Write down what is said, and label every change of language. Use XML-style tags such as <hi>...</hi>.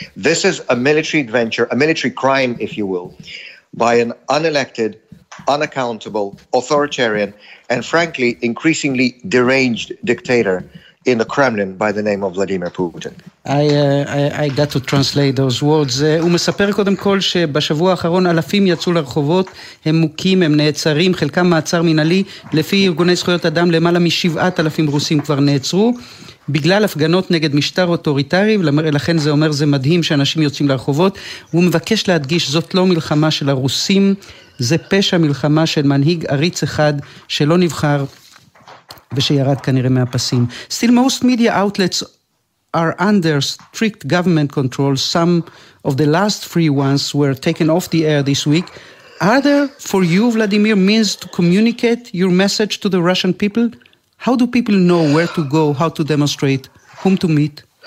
<en>This is a military adventure, a military crime, if you will, by an unelected, unaccountable, authoritarian, and frankly, increasingly deranged dictator in the Kremlin by the name of Vladimir Putin. I got to translate those words.</en> <he>הוא מספר קודם כל שבשבוע האחרון אלפים יצאו לרחובות, הם מוקים, הם נעצרים, חלקם מעצר מנהלי, לפי ארגוני זכויות אדם למעלה מ7,000 רוסים כבר נעצרו, בגלל הפגנות נגד משטר אוטוריטרי, לכן זה אומר זה מדהים שאנשים יוצאים לרחובות, הוא מבקש להדגיש זאת לא מלחמה של הרוסים, זה פשע מלחמה של מנהיג עריץ אחד שלא נבחר, ושירד כנראה מהפסים.</he> <en>Still, most media outlets are under strict government control. Some of the last free ones were taken off the air this week. Are there, for you, Vladimir, means to communicate your message to the Russian people? How do people know where to go, how to demonstrate, whom to meet?</en>